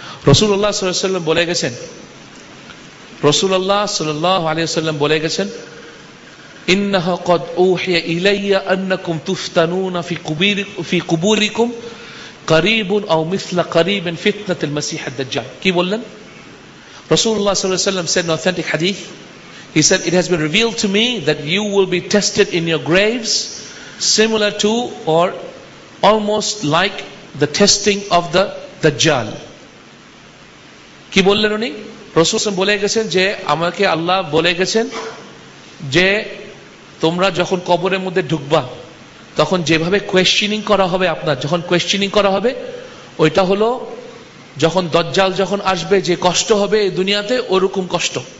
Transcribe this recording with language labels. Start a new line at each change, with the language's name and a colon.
Bangla: রাসূলুল্লাহ সাল্লাল্লাহু আলাইহি ওয়াসাল্লাম বলে গেছেন,
Arabic: রাসূলুল্লাহ সাল্লাল্লাহু আলাইহি বলে গেছেন, إنه قد أوحي إلي أنكم تفتنون في قبوركم قريب أو مثل قريب فتنة المسيح الدجال.
Bangla: كي بولن؟
English: رسول الله صلى الله عليه وسلم said in authentic hadith, he said, it has been revealed to me that you will be tested in your graves similar to or almost like the testing of the Dajjal.
Bangla: কি বললেন উনি? রাসূল সাল্লাল্লাহু আলাইহি ওয়াসাল্লাম বলে গেছেন যে আমাকে আল্লাহ বলে গেছেন যে তোমরা যখন কবরের মধ্যে ঢুকবা তখন যেভাবে কোয়েশ্চেনিং করা হবে আপনার, যখন কোয়েশ্চেনিং করা হবে ওইটা হলো যখন দজ্জাল যখন আসবে যে কষ্ট হবে এই দুনিয়াতে ওরকম কষ্ট।